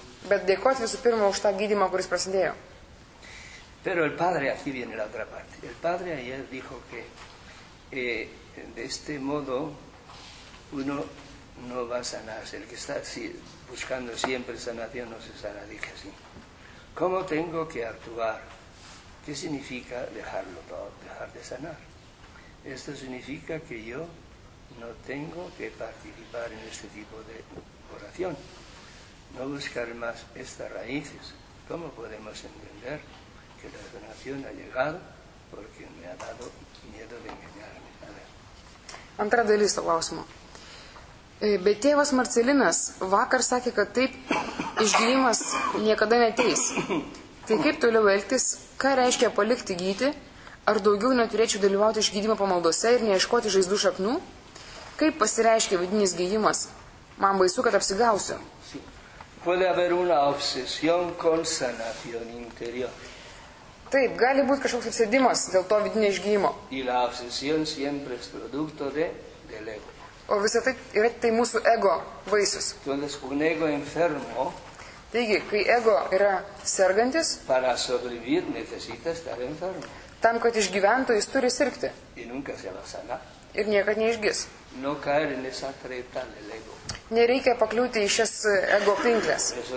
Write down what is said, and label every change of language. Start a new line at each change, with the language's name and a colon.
Lithuanian: Bet dėkoti visų pirma už tą gydymą, kuris prasidėjo.
Spanish: Pero el padre, aquí viene la otra parte. El padre ayer dijo que de este modo uno no va a sanarse. El que está buscando siempre sanación no se sana. Dije así. ¿Cómo tengo que actuar? ¿Qué significa dejarlo todo, dejar de sanar? Esto significa que yo no tengo que participar en este tipo de oración. No buscar más estas raíces. ¿Cómo podemos entender que la sanación ha llegado porque me ha dado miedo de engañarme?
Lithuanian: Antra dalis to klausimo. Bet tėvas Marcelinas vakar sakė, kad taip išgyjimas niekada neteis. Tai kaip toliau elgtis, ką reiškia palikti gyti, ar daugiau neturėčiau dalyvauti išgydymo pamaldose ir neieškoti žaizdų šaknų? Kaip pasireiškia vidinis gyjimas? Man baisu, kad apsigausiu.
Spanish: Puede haber una obsesión con sanación interior.
Lithuanian: Taip, gali būti kažkoks apsėdimas dėl to vidinio išgyjimo.
Spanish: Y la obsesión siempre es producto del ego.
Lithuanian: O visa tai yra tai mūsų ego vaisius.
Spanish: Entonces, un ego enfermo,
Lithuanian: taigi, kai ego yra sergantis,
Spanish: para sobrevivir necesita estar enfermo.
Lithuanian: Tam, kad išgyventų, jis turi sirgti.
Spanish: Y nunca se va a sanar.
Lithuanian: Ir niekad neišgis.
Spanish: No caer en esa treta del ego.
Lithuanian: Nereikia pakliūti į šias ego pinkles.